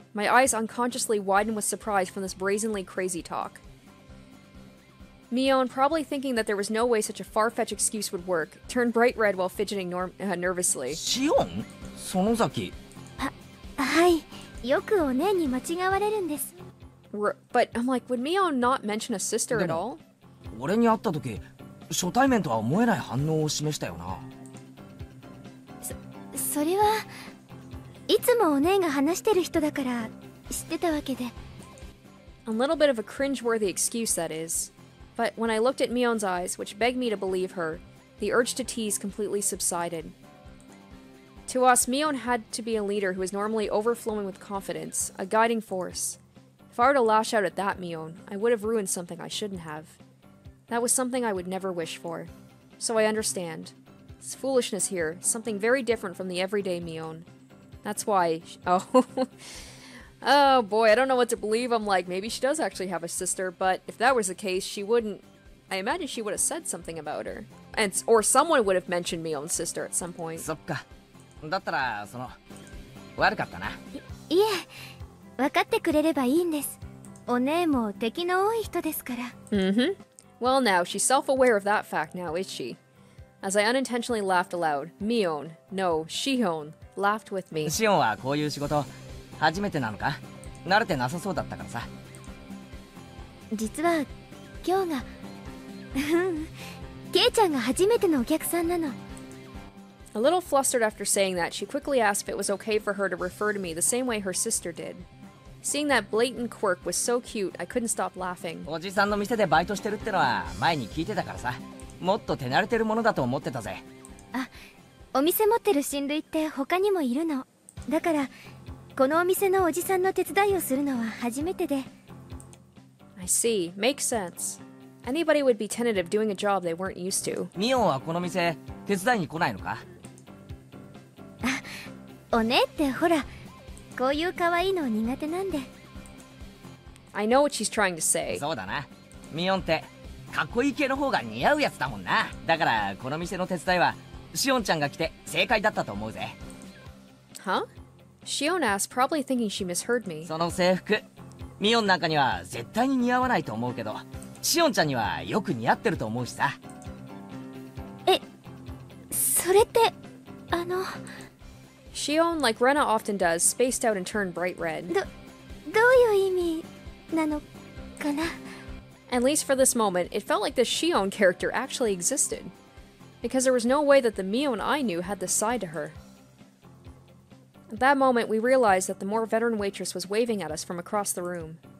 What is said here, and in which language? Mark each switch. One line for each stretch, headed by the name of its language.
English: My eyes unconsciously widened with surprise from this brazenly crazy talk. Mion, probably thinking that there was no way such a far-fetched excuse would work, turned bright red while fidgeting nervously. Shion? Sonozaki? Hi.
Japanese: よくお姉に間違われるんです。
English: But I'm like, would Mion not mention a sister at all?
Japanese: 俺に会った時、初対面とは思えない反応を示したよな。それは…いつもお姉が話してる人だから知ってたわけで。
English: A little bit of a cringe-worthy excuse, that is. But when I looked at Mion's eyes, which begged me to believe her, the urge to tease completely subsided. To us, Mion had to be a leader who is normally overflowing with confidence, a guiding force. If I were to lash out at that Mion, I would have ruined something I shouldn't have. That was something I would never wish for. So I understand. It's foolishness here, something very different from the everyday Mion. That's why. Oh. Oh boy, I don't know what to believe. I'm like, maybe she does actually have a sister, but if that was the case, she wouldn't. I imagine she would have said something about her. And, or someone would have mentioned Mion's sister at some point.
Japanese: そっか。だったら、その、悪かったな。いえ、分かってくれればいいんです。お姉も敵の多い人ですから。
English: Mm-hmm. Well now, she's self-aware of that fact now, is she? As I unintentionally laughed aloud, Mion, no, Shihon, laughed with me.
Japanese: Shihon はこういう仕事、初めてなのか慣れてなさそうだったからさ。実は、今日が…ケイちゃんが初めてのお客さんなの。
English: A little flustered after saying that, she quickly asked if it was okay for her to refer to me the same way her sister did. Seeing that blatant quirk was so cute, I couldn't stop laughing.
Japanese: おじさんの店でバイトしてるってのは前に聞いてたからさ。もっと手慣れてるものだと思ってたぜ。あ、お店持ってる親類って他にもいるの。だから、このお店のおじさんの手伝いをするのは初めてで。
English: I see. Makes sense. Anybody would be tentative doing a job they weren't used to.
Japanese: ミオンはこの店、手伝いに来ないのか？お姉ってほら、こういう可愛いの苦手なんで。
English: I know what she's trying to say.
Japanese: そうだな。ミオンって、かっこいい系の方が似合うやつだもんな。だから、この店の手伝いは、シオンちゃんが来て正解だったと思うぜ。
English: Huh? シオン asked, probably thinking she misheard me.
Japanese: その制服、ミオンなんかには絶対に似合わないと思うけど、シオンちゃんにはよく似合ってると思うしさ。え、それって、あの…
English: Shion, like Rena often does, spaced out and turned bright red.
Japanese: どういう意味なのかな?
English: At least for this moment, it felt like the Shion character actually existed. Because there was no way that the Mion I knew had this side to her. At that moment, we realized that the more veteran waitress was waving at us from across the room.